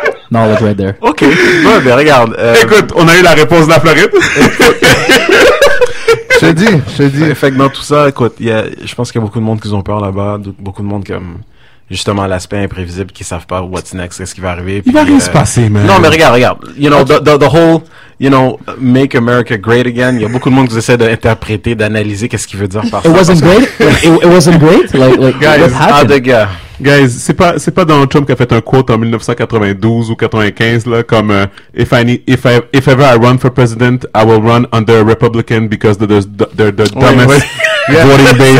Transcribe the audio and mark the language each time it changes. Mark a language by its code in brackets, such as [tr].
[en] Knowledge right there. [fr] OK. Bon, ben, regarde... Écoute, on a eu la réponse de la Floride. Je te dis. Effectivement, tout ça, écoute, je pense qu'il y a beaucoup de monde qui ont peur là-bas, beaucoup de monde comme... Justement, l'aspect imprévisible, qu'ils savent pas [en] what's next, [fr] qu'est-ce qui va arriver. Il va rien se passer, man. Non, mais regarde. [en] You know, the whole, you know, make America great again. [fr] Il y a beaucoup de monde qui essaie d'interpréter, d'analyser qu'est-ce qu'il veut dire par [en] ça. It wasn't great? It wasn't great? Like guys, what happened? Guys, [fr] c'est pas Donald Trump qui a fait un quote en 1992 ou 95, là, comme [en] if ever I run for president, I will run under a Republican because they're the dumbest. Yeah. Voting base.